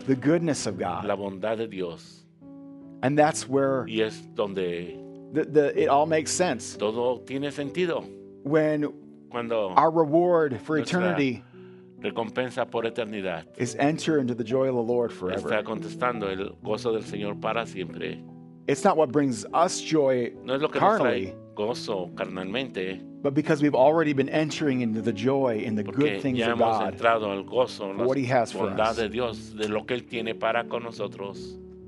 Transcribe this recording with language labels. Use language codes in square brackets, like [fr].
[en] The goodness of God. [es] La bondad de Dios. [en] And that's where. [es] Y es donde. [en] It all makes sense. [es] Todo tiene sentido. [en] When. [es] Cuando. [en] Our reward for eternity. [es] Recompensa por eternidad. [en] Is enter into the joy of the Lord forever. [es] Está contestando el gozo del Señor para siempre. [en] It's not what brings us joy [es] no es lo que [en] carnally, [es] nos trae gozo carnalmente, [en] but because we've already been entering into the joy and the good things [es] ya hemos [en] of God [es] entrado al gozo, [en] for what he has for us. [es] De Dios, de lo que él tiene para con nosotros.